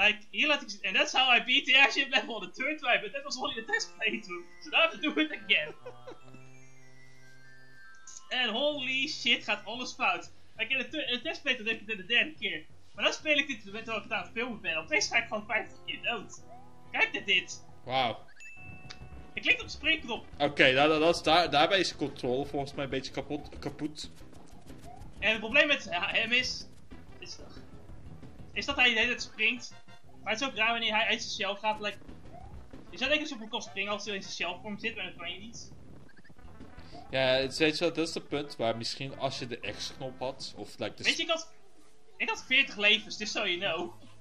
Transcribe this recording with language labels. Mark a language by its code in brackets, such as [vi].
[nl] Hier laat ik zien. [en] And that's how I beat the action level on the turn 2, but that was only the test playthrough. So now I have to do it again. And holy shit, [nl] gaat alles fout. In de test playthrough heb ik het in de derde keer. Maar dan speel ik dit met wat ik het aan het filmen ben. Opeens ga ik gewoon 50 keer dood. Kijk naar dit. Wauw. Ik klik op de springknop. Daarbij is de controle volgens mij een beetje kapot. En het probleem met hem is dat hij de hele tijd springt. Maar het is ook raar wanneer hij uit zijn shell gaat. Je zou denken dat hij op kan springen als hij in zijn shell vorm zit, maar dat kan je niet. Ja, dat is het punt waar misschien als je de X-knop had, of ik had 40 levens, dus [en] so you know.